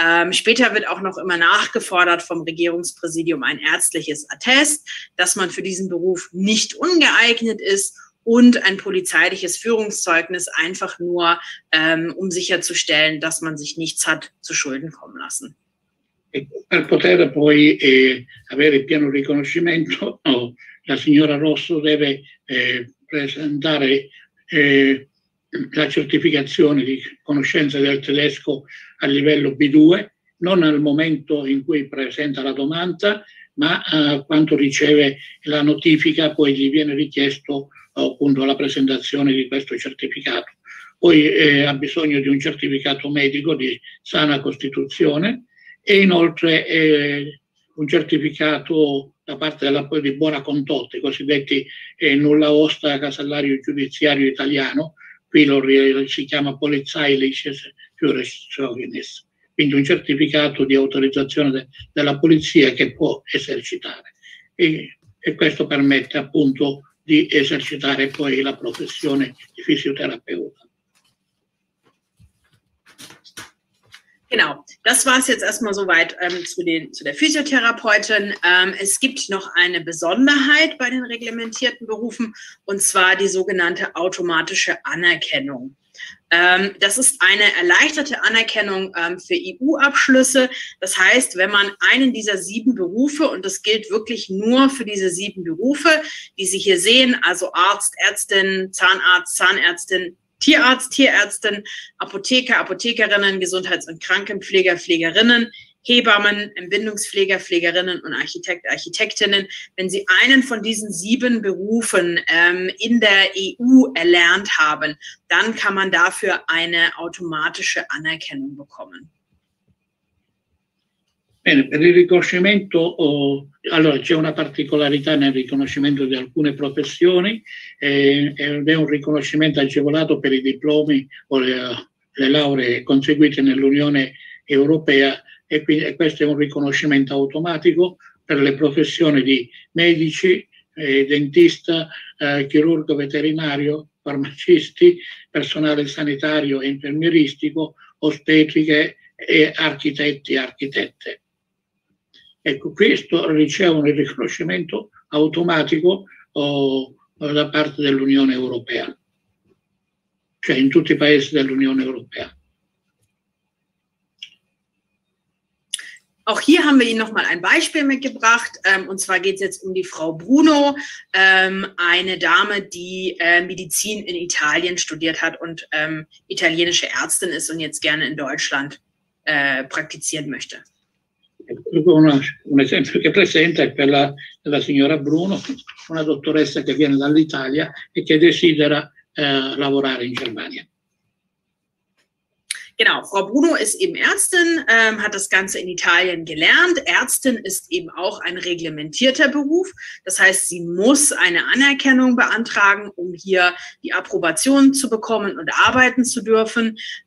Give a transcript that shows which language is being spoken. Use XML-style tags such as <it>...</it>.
<de>Später wird auch noch immer nachgefordert vom Regierungspräsidium ein ärztliches Attest, dass man für diesen Beruf nicht ungeeignet ist, und ein polizeiliches Führungszeugnis, einfach nur, um sicherzustellen, dass man sich nichts hat zu Schulden kommen lassen.</de> <it>Per poter poi avere il pieno riconoscimento, no, la signora Rosso deve presentare la certificazione di conoscenza del tedesco a livello B2, non al momento in cui presenta la domanda, ma quando riceve la notifica, poi gli viene richiesto appunto la presentazione di questo certificato. Poi ha bisogno di un certificato medico di sana costituzione e inoltre un certificato da parte della di buona condotta, i cosiddetti nulla osta casellario giudiziario italiano, qui si chiama polizeiliche Führungszeugnis, quindi un certificato di autorizzazione della polizia che può esercitare. E questo permette appunto di esercitare poi la professione di fisioterapeuta.</it> <de>Genau, das war es jetzt erstmal soweit zu der Physiotherapeutin. Es gibt noch eine Besonderheit bei den reglementierten Berufen, und zwar die sogenannte automatische Anerkennung. Das ist eine erleichterte Anerkennung für EU-Abschlüsse. Das heißt, wenn man einen dieser 7 Berufe, und das gilt wirklich nur für diese 7 Berufe, die Sie hier sehen, also Arzt, Ärztin, Zahnarzt, Zahnärztin, Tierarzt, Tierärztin, Apotheker, Apothekerinnen, Gesundheits- und Krankenpfleger, Pflegerinnen, Hebammen, Entbindungspfleger, Pflegerinnen und Architekt, Architektinnen. Wenn Sie einen von diesen 7 Berufen in der EU erlernt haben, dann kann man dafür eine automatische Anerkennung bekommen.</de> <it>Bene, per il riconoscimento, allora c'è una particolarità nel riconoscimento di alcune professioni, ed è un riconoscimento agevolato per i diplomi o le lauree conseguite nell'Unione Europea, e quindi questo è un riconoscimento automatico per le professioni di medici, dentista, chirurgo veterinario, farmacisti, personale sanitario e infermieristico, ostetriche e architetti e architette. Ecco, questo riceve un riconoscimento automatico da parte dell'Unione Europea, cioè in tutti i paesi dell'Unione Europea.</it> <de>Auch hier haben wir Ihnen nochmal ein Beispiel mitgebracht. Und zwar geht es jetzt um die Frau Bruno, eine Dame, die Medizin in Italien studiert hat und italienische Ärztin ist und jetzt gerne in Deutschland praktizieren möchte.</de> <it>Un esempio che presenta è quella della signora Bruno, una dottoressa che viene dall'Italia e che desidera lavorare in Germania.</it> <de>Genau, Frau Bruno ist eben Ärztin, hat das Ganze in Italien gelernt. Ärztin ist eben auch ein reglementierter Beruf. Das heißt, sie muss eine Anerkennung beantragen, um hier die Approbation zu bekommen und arbeiten zu dürfen.</de>